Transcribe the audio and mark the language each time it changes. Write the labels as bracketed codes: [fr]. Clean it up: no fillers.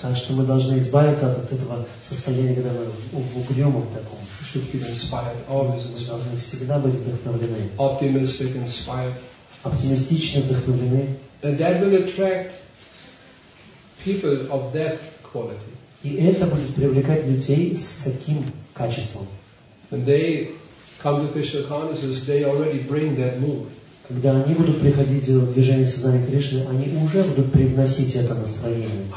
[ru] Так что мы должны избавиться от этого состояния, когда мы в угрюмом таком. [en] Should be inspired, always inspired. [ru] Мы должны всегда быть вдохновлены. [en] Optimistic, inspired. [ru] Оптимистично вдохновлены. [en] And that will attract people of that quality. [ru] И это будет привлекать людей с таким качеством. [en] And they come to Krishna consciousness, they already bring that mood. [ru] Когда они будут приходить делать движение сознания Кришны, они уже будут привносить это настроение.